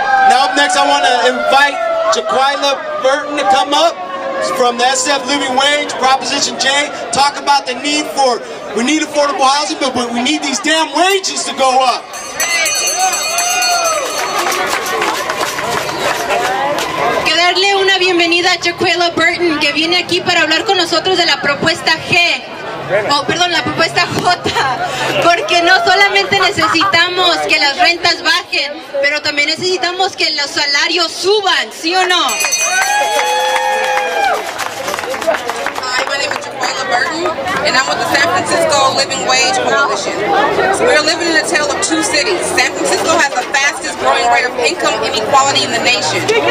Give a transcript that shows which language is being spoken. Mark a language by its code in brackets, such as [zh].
[en] Now up next, I want to invite Jaquila Burton to come up from the SF Living Wage, Proposition J, talk about the need for, we need affordable housing, but we need these damn wages to go up. [es] Darle una bienvenida a Jaquila Burton, que viene aquí para hablar con nosotros de la propuesta G. La propuesta J, porque no solamente necesitamos que las rentas bajen, pero también necesitamos que los salarios suban, ¿sí o no? [en] Hi, my name is Jaquila Burton, and I'm with the San Francisco Living Wage Coalition. So we're living in a tale of two cities. San Francisco has the fastest growing rate of income inequality in the nation.